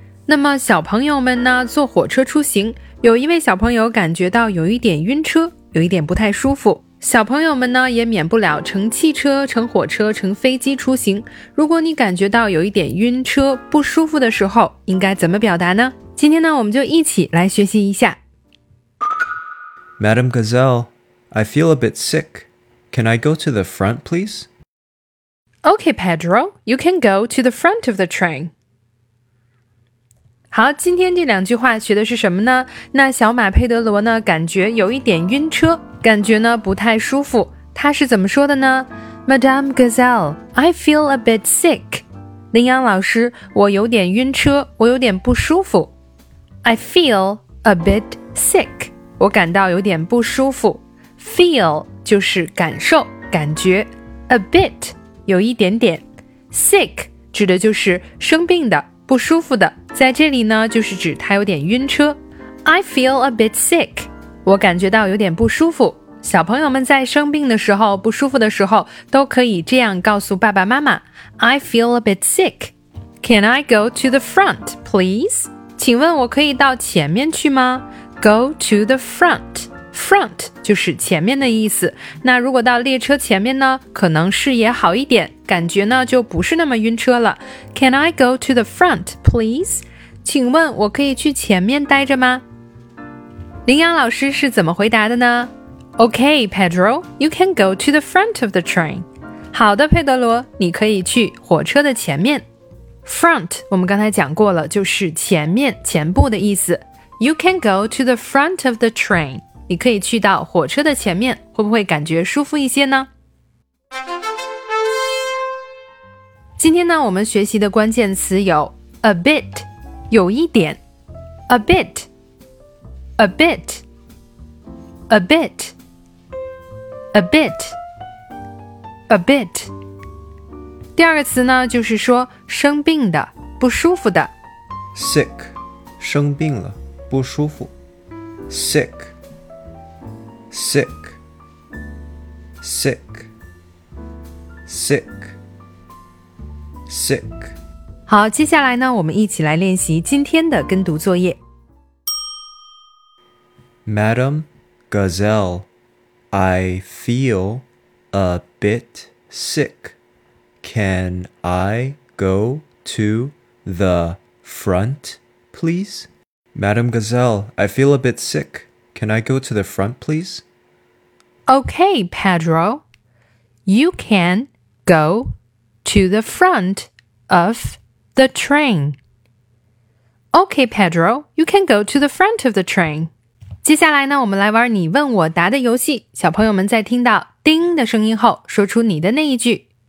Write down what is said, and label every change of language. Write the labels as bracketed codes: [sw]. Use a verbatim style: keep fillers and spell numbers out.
[zh] 那么小朋友们呢，坐火车出行，有一位小朋友感觉到有一点晕车，有一点不太舒服。小朋友们呢，也免不了乘汽车、乘火车、乘飞机出行。如果你感觉到有一点晕车、不舒服的时候，应该怎么表达呢？今天呢，我们就一起来学习一下。 [en] Madam Gazelle, I feel a bit sick. Can I go to the front, please? Okay, Pedro, you can go to the front of the train. [zh] 好，今天这两句话学的是什么呢？那小马佩德罗呢，感觉有一点晕车，感觉呢不太舒服。他是怎么说的呢？ [en] Madam Gazelle, I feel a bit sick. [zh] 林阳老师，我有点晕车，我有点不舒服。 [en] I feel a bit sick. [zh] 我感到有点不舒服。 Feel 就是感受、感觉， [en] a bit [zh] 有一点点， sick 指的就是生病的、不舒服的，在这里呢就是指他有点晕车。 [en] I feel a bit sick， [zh] 我感觉到有点不舒服。小朋友们在生病的时候、不舒服的时候，都可以这样告诉爸爸妈妈， [en] I feel a bit sick. Can I go to the front, please? [zh] 请问我可以到前面去吗？ [en] Go to the front. [zh] Front 就是前面的意思。那如果到列车前面呢，可能视野好一点，感觉呢就不是那么晕车了。 [en] Can I go to the front, please? [zh] 请问我可以去前面待着吗？林阳老师是怎么回答的呢？ [en] Okay, Pedro, you can go to the front of the train. [zh] 好的，佩德罗，你可以去火车的前面。Front 我们刚才讲过了，就是前面、前部的意思。 [en] You can go to the front of the train. [zh] 你可以去到火车的前面，会不会感觉舒服一些呢？今天呢，我们学习的关键词有 [en] a bit， 有一点 ，a bit， [zh] a bit， a bit， a bit， a bit。第二个词呢，就是说生病的、不舒服的，sick， 生病了。不舒服 [en] sick sick sick sick sick。 [zh] 好，接下来呢，我们一起来练习今天的跟读作业。 [en] Madam Gazelle, I feel a bit sick. Can I go to the front, please? Madam Gazelle, I feel a bit sick. Can I go to the front, please? Okay, Pedro. You can go to the front of the train. Okay, Pedro. You can go to the front of the train. [zh] 接下来呢，我们来玩你问我答的游戏。小朋友们在听到叮的声音后，说出你的那一句。